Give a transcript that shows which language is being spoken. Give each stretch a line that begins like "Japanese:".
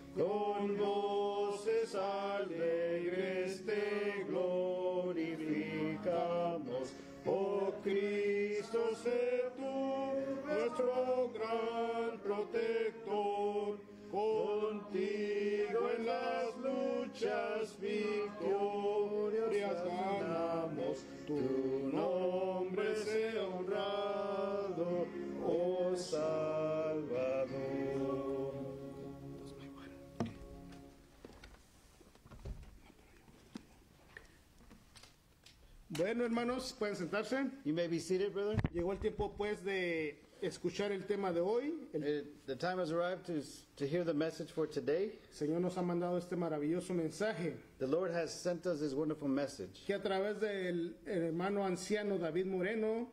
Spanish: Con voces alegres te glorificamos, oh Cristo, sé tú nuestro gran protector, contigo en las luchas victorias ganamos, tu nombre sea honrado, oh Salvador. Bueno, hermanos, pueden sentarse.
English: You may be seated, brother.
Spanish: Llegó el tiempo, pues, de escuchar el tema de hoy.
English: The time has arrived to hear the message for today.
Spanish: El Señor nos ha mandado este maravilloso mensaje.
English: The Lord has sent us this wonderful message.
Spanish: Que a través del hermano anciano David Moreno.